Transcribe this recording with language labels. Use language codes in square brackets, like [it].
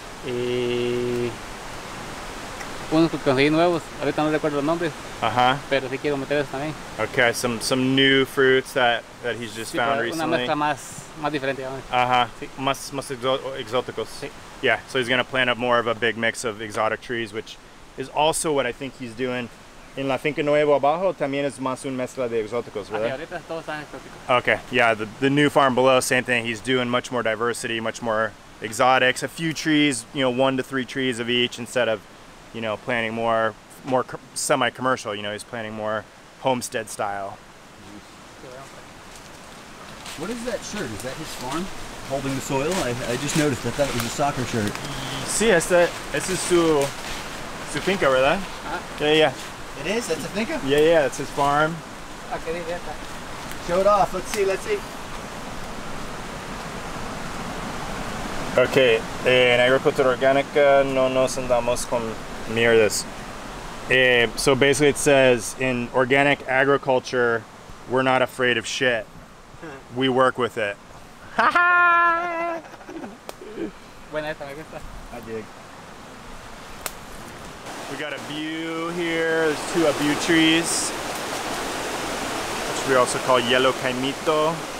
[es] Y unos que conseguí nuevos. Ahorita no recuerdo los nombres. Ajá. Pero sí quiero meter esos también. [en] Okay, some new fruits that he's just found recently. [es] Una mezcla más diferente. Ajá. Sí. Más exóticos. Sí. [en] Yeah, so he's gonna plant up more of a big mix of exotic trees, which is also what I think he's doing. [es] In La Finca Nuevo Abajo, también es más un mezcla de exóticos, ¿verdad? Ahorita todos están exóticos. [en] Okay, yeah, the new farm below, same thing. He's doing much more diversity, much more exotics. A few trees, you know, 1 to 3 trees of each instead of, you know, planting more semi-commercial. You know, he's planting more homestead style. What is that shirt? Is that his farm holding the soil? I just noticed. I thought it was a soccer shirt. [es] Sí, ese es su finca, ¿verdad? Huh? [en] Yeah, yeah. It is? That's a finca? Yeah, yeah, that's his farm. Show it off. Let's see. [es] Okay, en agricultura orgánica no nos andamos con mierdas. [en] So basically it says, in organic agriculture, we're not afraid of shit. We work with it. Ha ha! I dig. We got a bew here, there's 2 abew trees, which we also call yellow caimito.